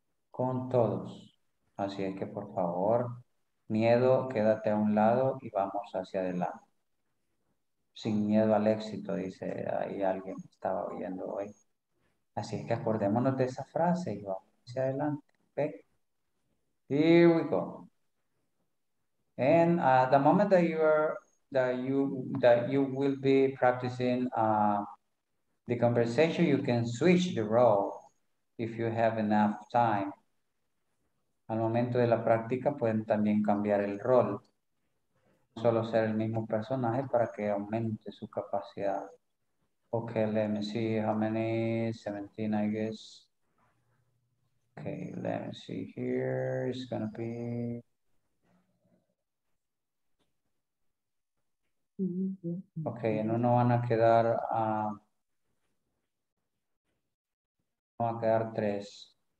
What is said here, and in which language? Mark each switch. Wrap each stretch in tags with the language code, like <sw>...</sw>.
<es>Con todos. Así es que, por favor, miedo, quédate a un lado y vamos hacia adelante. Sin miedo al éxito, dice ahí alguien que estaba oyendo hoy. Así es que acordémonos de esa frase y vamos hacia adelante.</es> <en>Okay. Here we go. And at the moment that you are, that you will be practicing the conversation, you can switch the role if you have enough time.</en> <es>Al momento de la práctica pueden también cambiar el rol. Solo ser el mismo personaje para que aumente su capacidad.</es> <en>Okay, let me see how many, 17, I guess. Okay, let me see here, it's gonna be.</en> <es>Okay, en uno van a quedar, van a quedar tres.</es>